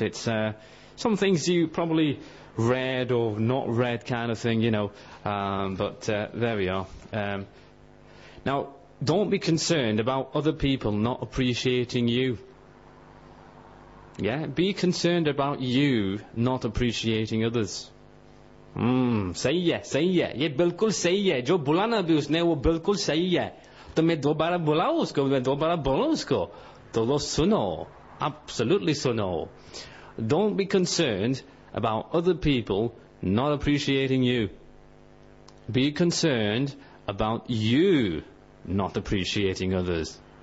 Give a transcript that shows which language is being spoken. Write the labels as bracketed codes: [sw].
[en] It's some things you probably read or not read kind of thing, you know, but there we are. Now, don't be concerned about other people not appreciating you. Yeah, be concerned about you not appreciating others. [hi] सही है। ये बिल्कुल सही है। जो बुलाना भी उसने, वो बिल्कुल सही है। तो मैं दोबारा बुलाऊ उसको, मैं दोबारा बोलू उसको। तो लो सुनो, absolutely सुनो। [en] Don't be concerned about other people not appreciating you. Be concerned about you not appreciating others.